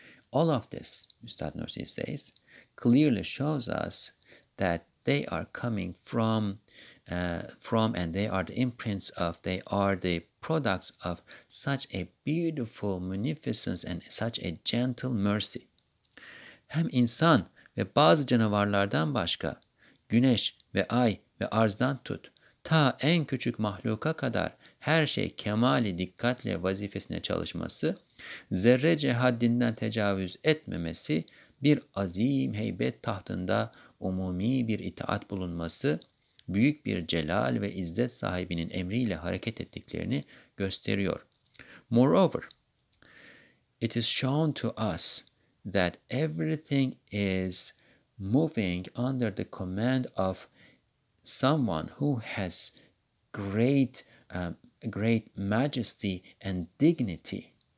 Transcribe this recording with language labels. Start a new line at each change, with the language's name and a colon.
English: All of this, Ustad Nursi says, clearly shows us that they are coming from and they are the imprints of, they are the products of such a beautiful munificence and such a gentle mercy.
Turkish: Hem insan ve bazı canavarlardan başka, güneş ve ay ve arzdan tut, ta en küçük mahluka kadar her şey kemali dikkatle vazifesine çalışması, zerrece haddinden tecavüz etmemesi, bir azim heybet tahtında umumi bir itaat bulunması, büyük bir celal ve izzet sahibinin emriyle hareket ettiklerini gösteriyor.
English: Moreover, it is shown to us that everything is moving under the command of someone who has great majesty and dignity.